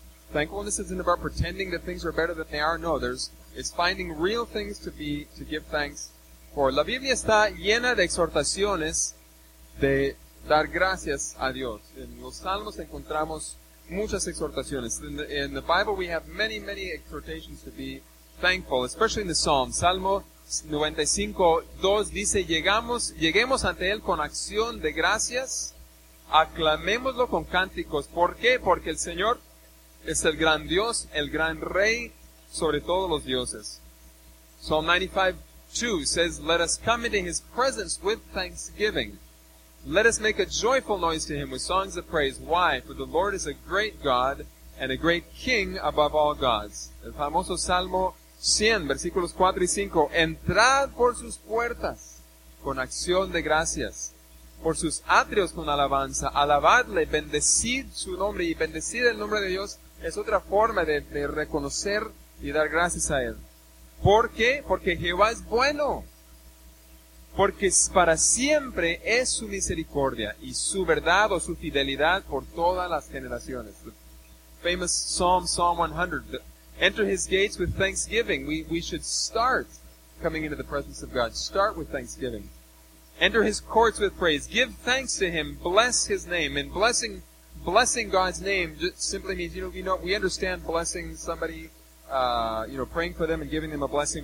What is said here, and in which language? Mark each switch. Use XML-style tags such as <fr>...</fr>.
<en>Thankfulness isn't about pretending that things are better than they are. No, it's finding real things to give thanks for.</en> <es>La Biblia está llena de exhortaciones de dar gracias a Dios. En los Salmos encontramos muchas exhortaciones.</es> <en>In the Bible we have many, many exhortations to be thankful, especially in the Psalms.</en> <es>Salmo 95:2 dice, lleguemos ante Él con acción de gracias, aclamémoslo con cánticos. ¿Por qué? Porque el Señor es el gran Dios, el gran Rey sobre todos los dioses.</es> <en>Psalm 95:2 says, let us come into His presence with thanksgiving. Let us make a joyful noise to Him with songs of praise. Why? For the Lord is a great God and a great King above all gods.</en> <es>El famoso Salmo 100, versículos 4 y 5. Entrad por sus puertas con acción de gracias, por sus atrios con alabanza. Alabadle, bendecid su nombre, y bendecid el nombre de Dios es otra forma de reconocer y dar gracias a Él. ¿Por qué? Porque Jehová es bueno. Porque para siempre es su misericordia y su verdad o su fidelidad por todas las generaciones.</es> <en>The famous Psalm 100. Enter His gates with thanksgiving. We should start coming into the presence of God. Start with thanksgiving. Enter His courts with praise. Give thanks to Him. Bless His name. And blessing God's name just simply means, we understand blessing somebody, praying for them and giving them a blessing.</en>